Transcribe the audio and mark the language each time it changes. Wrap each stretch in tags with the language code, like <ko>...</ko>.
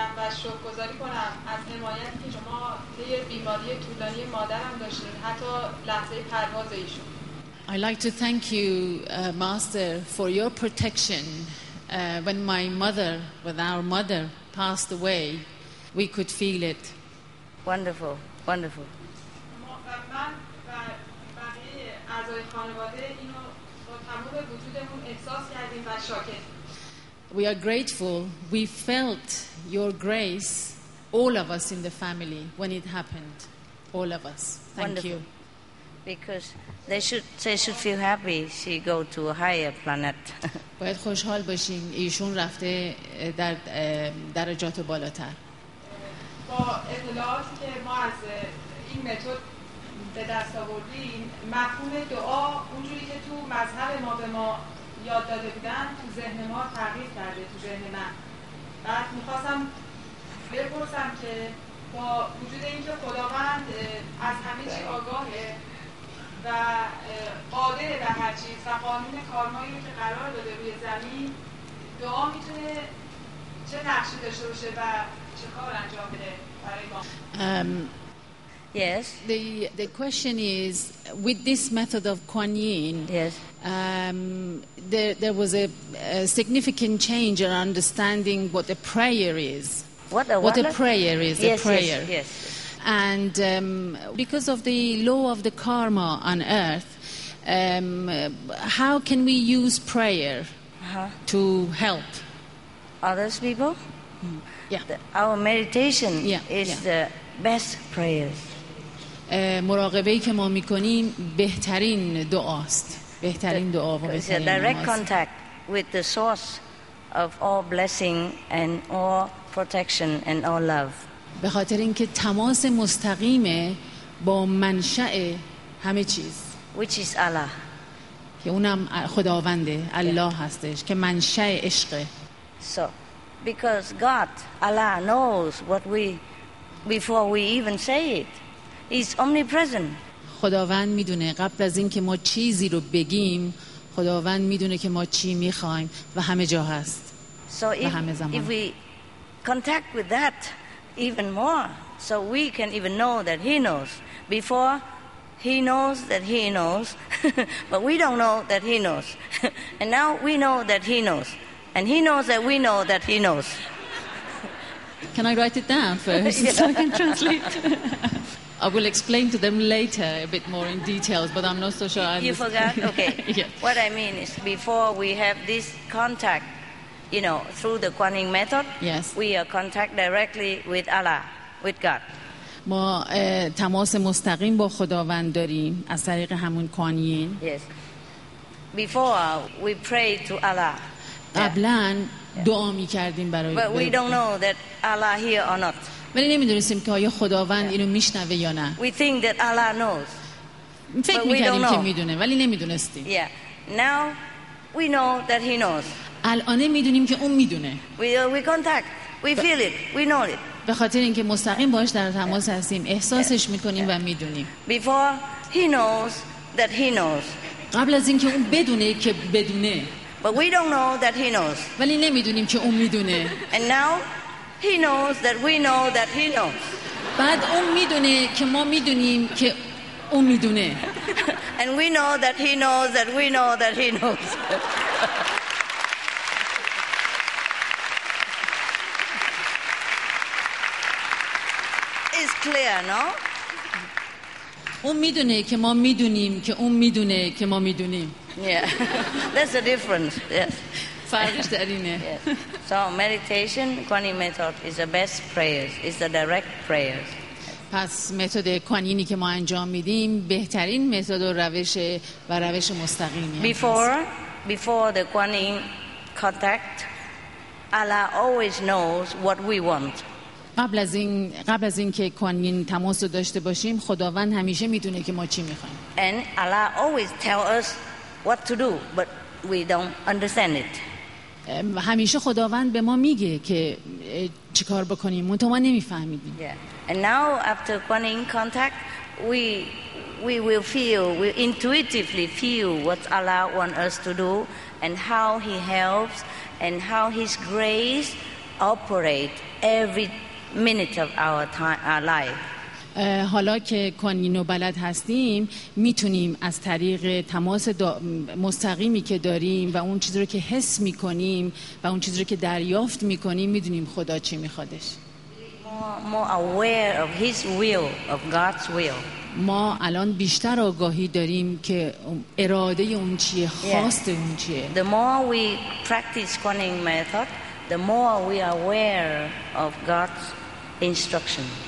<fa>شکرگزاری کنم از حمایتی که شما طی بیماری طولانی مادرم داشتین حتی لحظه پرواز ایشون.</fa> <en>I like to thank you master for your protection when my mother with our mother passed away we could feel it. Wonderful, wonderful.</en> <fa>من و بقیه اعضای خانواده اینو با تمام وجودمون احساس می‌کنیم که شاکرین.</fa> <en>We are grateful. We felt your grace, all of us in the family, when it happened. All of us. Thank Wonderful. You. Because they should feel happy. She go to a higher planet.</en> <fa>باید خوشحال باشیم. ایشون رفته در درجات بالاتر. با اطلاعاتی که ما از این متد به دست آوردیم، مفهوم دعا اونجوری که تو مذهب ما به ما یاد داده بودن تو ذهن ما تغییر کرده تو ذهن من. بعد میخواستم بپرسم که با وجود اینکه خداوند از همه چی آگاهه و قادر به هر چیز و قانون کارمایی رو که قرار داده روی زمین، دعا میتونه چه نقشی داشته باشه و چه کار انجام بده برای ما؟</fa> <en>Yes. The question is, with this method of Kuan Yin, yes. There was a significant change in understanding what a prayer is. What a prayer is, yes, a prayer. Yes, yes. And because of the law of the karma on earth, how can we use prayer to help? Others people? Yeah. Our meditation is the best prayer.</en> <fa>مراقبه‌ای که ما می‌کنیم بهترین دعاست، بهترین دعا و بهترین نماز.</fa> <en>Direct contact with the source of all blessing and all protection and all love.</en> <fa>به خاطر اینکه تماس مستقیم با منشأ همه چیز.</fa> <en>Which is Allah.</en> <fa>که اونم خداونده، الله هستش که منشأ عشق.</fa> <en>So, because God, Allah knows what we before we even say it. Is omnipresent.</en> <fa>خداوند میدونه قبل از اینکه ما چیزی رو بگیم، خداوند میدونه که ما چی میخوایم و همه جا هست.</fa> <en>So</en> <fa>و همه زمان.</fa> <en>If we contact with that even more, so we can even know that he knows before he knows that he knows, but we don't know that he knows. And now we know that he knows and he knows that we know that he knows. Can I write it down first so I can translate? I will explain to them later a bit more in details, but I'm not so sure. You forgot? Okay. Yeah. What I mean is, before we have this contact, you know, through the Kuan Yin method, yes. We are contact directly with Allah, with God.</en> <fa>ما تماس مستقیم با خداوند داریم از طریق همون Kuan Yin.</fa> <en>Yes. Before we pray to Allah.</en> <fa>قبلاً دعا می‌کردیم برای.</fa> <en>But we don't know that Allah here or not.</en> <fa>ولی نمی‌دونیم که آیا خداوند اینو میشنوه یا نه.</fa> <en>We think that Allah knows.</en> <fa>فکر می‌کنیم که می‌دونه ولی نمی‌دونستیم.</fa> <en>Yeah. Now we know that he knows.</en> <fa>الان می‌دونیم که اون می‌دونه.</fa> <en>We contact. We feel it. We know it.</en> <fa>به خاطر اینکه مستقیم باهاش در تماس هستیم، احساسش می‌کنیم و می‌دونیم.</fa> <en>Before he knows that he knows.</en> <fa>قبل از اینکه اون بدونه که بدونه.</fa> <en>But we don't know that he knows.</en> <fa>ولی نمی‌دونیم که اون می‌دونه.</fa> <en>And now He knows that we know that he knows.</en> <fa>بعد اون میدونه که ما میدونیم که اون میدونه.</fa> <en>And we know that he knows that we know that he knows. It's clear, no?</en> <fa>اون میدونه که ما میدونیم که اون میدونه که ما میدونیم.</fa> <en>Yeah. That's the difference. Yes.</en> <fa>فرقش در اینه.</fa> <en>So meditation, Kuan Yin method is the best prayers. It's the direct prayers.</en> <fa>پس متد Kuan Yin که ما انجام میدیم بهترین متد و روش و روش مستقیمی.</fa> <en>Before the Kuan Yin contact, Allah always knows what we want.</en> <fa>و قبل از این که کوانین تماس رو داشته باشیم خداوند همیشه میدونه که ما چی میخوایم.</fa> <en>And Allah always tell us what to do, but we don't understand it.</en> <fa>همیشه خداوند به ما میگه که چیکار بکنیم، ما تو نمیفهمیدیم.</fa> <en>And now after Kuan Yin contact, we will feel, we intuitively feel what Allah wants us to do and how He helps and how His grace operates every minute of our time, our life.</en> <fa>حالا که کوانینو بلد هستیم میتونیم از طریق تماس مستقیمی که داریم و اون چیزی رو که حس میکنیم و اون چیزی رو که دریافت میکنیم میدونیم خدا چی میخوادش.</fa> <en>More aware of His will, of God's will.</en> <fa>ما الان بیشتر آگاهی داریم که اراده اون چیه، خواست اون چیه.</fa> <en>The more we practice Kuan Yin method, the more we are aware of God's instruction.</en>